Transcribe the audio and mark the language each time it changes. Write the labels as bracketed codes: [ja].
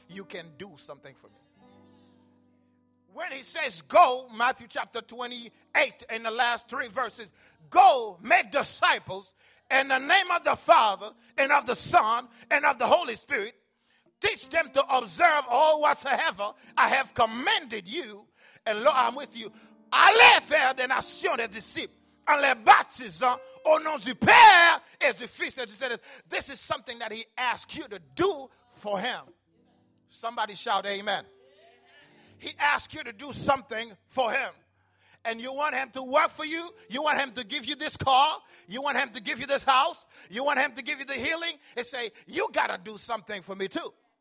[en] You can do something for me. When he says, go, Matthew chapter 28 in the last three verses, go make disciples in the name of the Father and of the Son and of the Holy Spirit. Teach them to observe all whatsoever I have commanded you, and Lord, I'm with you. [fr] Allez faire des nations des disciples en les baptisant au nom du Père et du Fils et du Saint-Esprit. [en] This is something that he asked you to do for him. Somebody shout amen. Amen. He asked you to do something for him. And you want him to work for you? You want him to give you this car? You want him to give you this house? You want him to give you the healing? And say, you got to do something for me too.